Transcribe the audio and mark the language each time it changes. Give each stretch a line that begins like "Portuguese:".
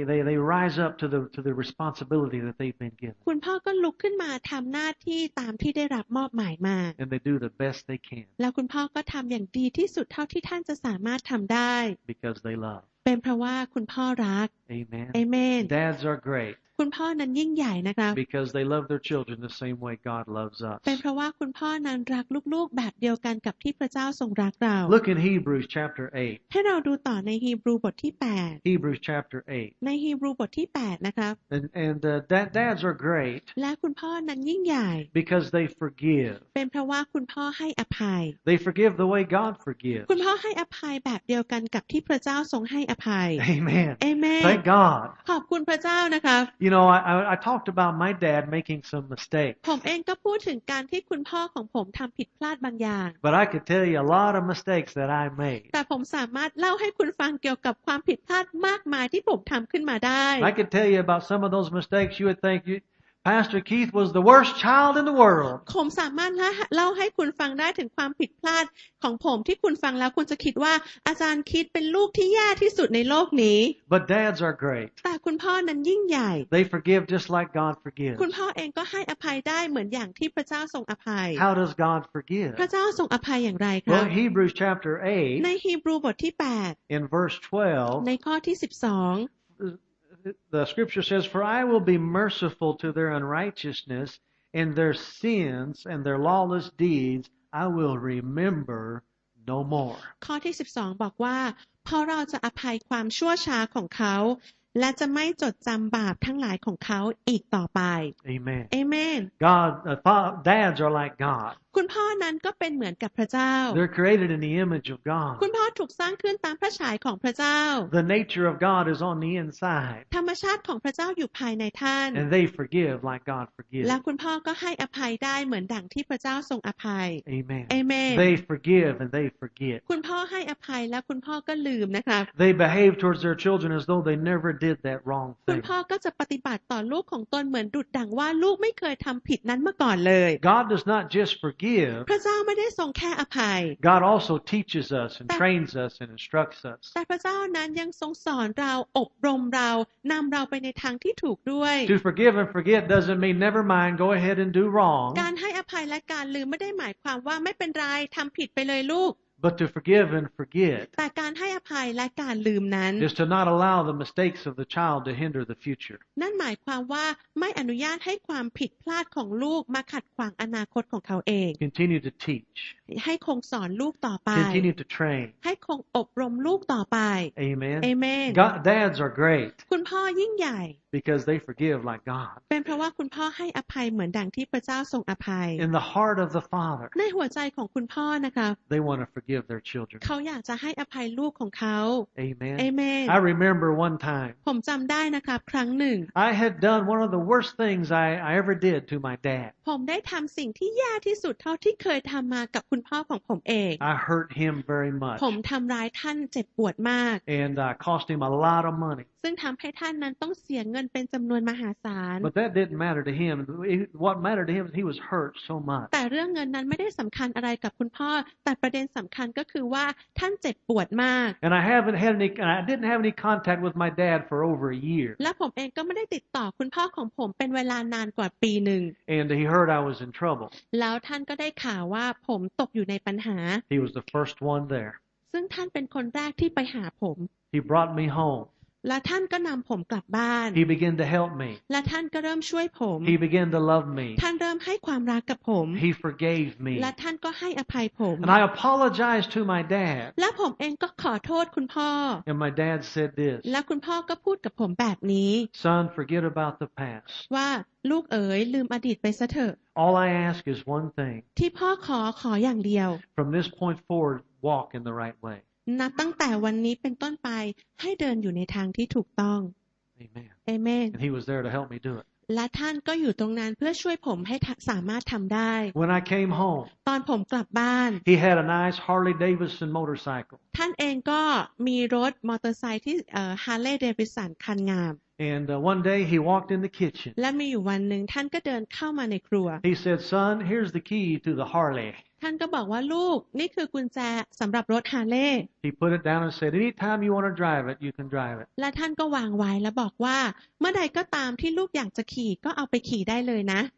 English: They rise up to the responsibility that they've been given
Thai: คุณพ่อก็ลุกขึ้นมาทำหน้าที่ตามที่ได้รับมอบหมายมา
English: And they do the best they can
Thai: แล้วคุณพ่อก็ทำอย่างดีที่สุดเท่าที่ท่านจะสามารถทำได้
English: Because they love
Thai: เป็นเพราะว่าคุณพ่อรัก
English: Amen Amen Dads are great
Thai: คุณพ่อนั้นยิ่งใหญ่นะครับ
English: Because they love their children the same way God loves us
Thai: เป็นเพราะว่าคุณพ่อนั้นรักลูกๆแบบเดียวกันกับที่พระเจ้าทรงรักเรา
English: Look in Hebrews chapter 8
Thai: ให้เราดูต่อในฮีบรูบทที่8
English: Hebrews chapter 8
Thai: ในฮีบรูบทที่8นะครับ
English: Dads are great
Thai: และคุณพ่อนั้นยิ่งใหญ่
English: Because they forgive
Thai: เป็นเพราะว่าคุณพ่อให้อภัย
English: They forgive the way God forgives
Thai: คุณพ่อให้อภัยแบบเดียวกันกับที่พระเจ้าทรงให้อภัย
English: Amen Amen Thank God
Thai: ขอบคุณพระเจ้านะครับ
English: You know, I talked about my dad making some mistakes.
Thai: ผมเองก็พูดถึงการที่คุณพ่อของผมทำผิดพลาดบางอย่าง
English: But I could tell you a lot of mistakes that I made.
Thai: แต่ผมสามารถเล่าให้คุณฟังเกี่ยวกับความผิดพลาดมากมายที่ผมทำขึ้นมาได้
English: I could tell you about some of those mistakes you would think you, Pastor Keith was the worst child in the world.
Thai: ผมสามารถเล่าให้คุณฟังได้ถึงความผิดพลาดของผมที่คุณฟังแล้วคุณจะคิดว่าอาจารย์คิดเป็นลูกที่แย่ที่สุดในโลกนี้
English: But dads are great.
Thai: แต่คุณพ่อนั้นยิ่งใหญ่
English: They forgive just like God forgives.
Thai: คุณพ่อเองก็ให้อภัยได้เหมือนอย่างที่พระเจ้าทรงอภัย
English: How does God forgive?
Thai: พระเจ้าทรงอภัยอย่างไรครับ
English: Well, Hebrews chapter 8.
Thai: ในฮีบรูบทที่8
English: In verse 12.
Thai: ในข้อที่12
English: The scripture says, For I will be merciful to their unrighteousness and their sins and their lawless deeds, I will remember no more.
Thai: ข้อที่12บอกว่าเพราะเราจะอภัยความชั่วช้าของเขาและจะไม่จดจำบาปทั้งหลายของเขาอีกต่อไป
English: Amen. Amen. God, dads are like God.
Thai: คุณพ่อนั้นก็เป็นเหมือนกับพระเจ้า
English: They're created in the image of God.
Thai: คุณพ่อถูกสร้างขึ้นตามพระฉายของพระเจ้า
English: The nature of God is on the inside.
Thai: ธรรมชาติของพระเจ้าอยู่ภายในท่าน
English: And they forgive like God forgives.
Thai: และคุณพ่อก็ให้อภัยได้เหมือนดังที่พระเจ้าทรงอภัย
English: Amen. Amen. They forgive and they forget.
Thai: คุณพ่อให้อภัยและคุณพ่อก็ลืมนะคะ
English: They behave towards their children as though they never did that wrong thing.
Thai: คุณพ่อก็จะปฏิบัติต่อลูกของตนเหมือนดุจดังว่าลูกไม่เคยทำผิดนั้นมาก่อนเลย
English: God does not just forgive
Thai: พระเจ้าไม่ได้ทรงแค่อภัย
English: God also teaches us and trains us and instructs us
Thai: แต่พระเจ้านั้นยังทรงสอนเราอบรมเรานำเราไปในทางที่ถูกด้วย
English: To forgive and forget doesn't mean never mind go ahead and do wrong
Thai: การให้อภัยและการลืมไม่ได้หมายความว่าไม่เป็นไรทำผิดไปเลยลูก
English: But to forgive and forget.
Thai: แต่การให้อภัยและการลืมนั้น
English: is to not allow the mistakes of the child to hinder the future.
Thai: นั่นหมายความว่าไม่อนุญาตให้ความผิดพลาดของลูกมาขัดขวางอนาคตของเขาเอง
English: Continue to teach.
Thai: ให้คงสอนลูกต่อไป
English: Continue to train.
Thai: ให้คงอบรมลูกต่อไป
English: Amen. Amen. God, dads are great.
Thai: คุณพ่อยิ่งใหญ่
English: Because they forgive like God.
Thai: เป็นเพราะว่าคุณพ่อให้อภัยเหมือนดังที่พระเจ้าทรงอภัย
English: In the heart of the father.
Thai: ในหัวใจของคุณพ่อนะคะ
English: They want to forgive their children.
Thai: เขาอยากจะให้อภัยลูกของเขา
English: Amen. Amen. I remember one time.
Thai: ผมจำได้นะครับครั้งหนึ่ง
English: I had done one of the worst things I ever did to my dad.
Thai: ผมได้ทำสิ่งที่แย่ที่สุดเท่าที่เคยทำมากับคุณพ่อของผมเอง
English: I hurt him very much.
Thai: ผมทำร้ายท่านเจ็บปวดมาก
English: And cost him a lot of money.
Thai: ซึ่งทำให้ท่านนั้นต้องเสียเงินเป็นจำนวนมหาศาล
English: But that didn't matter to him. What mattered to him is he was hurt so much.
Thai: แต่เรื่องเงินนั้นไม่ได้สำคัญอะไรกับคุณพ่อแต่ประเด็นสำคัญก็คือว่าท่านเจ็บปวดมาก
English: And I didn't have any contact with my dad for over a year.
Thai: และผมเองก็ไม่ได้ติดต่อคุณพ่อของผมเป็นเวลานานกว่าปีนึง
English: And he heard I was in trouble.
Thai: แล้วท่านก็ได้ข่าวว่าผมตกอยู่ในปัญหา
English: He was the first one there.
Thai: ซึ่งท่านเป็นคนแรกที่ไปหาผม
English: He brought me home.
Thai: และท่านก็นำผมกลับบ้าน
English: He began to help me.
Thai: และท่านก็เริ่มช่วยผม
English: He began to love me.
Thai: ท่านเริ่มให้ความรักกับผม
English: He forgave me.
Thai: และท่านก็ให้อภัยผม
English: And I apologized to my dad.
Thai: และผมเองก็ขอโทษคุณพ่อ
English: And my dad said this.
Thai: และคุณพ่อก็พูดกับผมแบบนี้
English: Son, forget about the past.
Thai: ว่าลูกเอ๋ยลืมอดีตไปซะเถอะ
English: All I ask is one thing.
Thai: ที่พ่อขออย่างเดียว
English: From this point forward, walk in the right way.
Thai: นับตั้งแต่วันนี้เป็นต้นไปให้เดินอยู่ในทางที่ถูกต้อง
English: Amen. And he was there to help me do it.
Thai: และท่านก็อยู่ตรงนั้นเพื่อช่วยผมให้สามารถทำได้
English: When I came home,
Thai: ตอนผมกลับบ้าน
English: he had a nice Harley Davidson motorcycle.
Thai: ท่านเองก็มีรถมอเตอร์ไซค์ที่Harley Davidson คันงาม
English: And one day he walked in the kitchen.
Thai: และมีอยู่วันหนึ่งท่านก็เดินเข้ามาในครัว
English: He said, "Son, here's the key to the Harley."
Thai: ท่านก็บอกว่าลูกนี่คือกุญแจสำหรับรถฮาร์เลย์
English: He put it down and said, "Anytime you want to drive it, you can drive it."
Thai: และท่านก็วางไว้และบอกว่าเมื่อใดก็ตามที่ลูกอยากจะขี่ก็เอาไปขี่ได้เลยนะ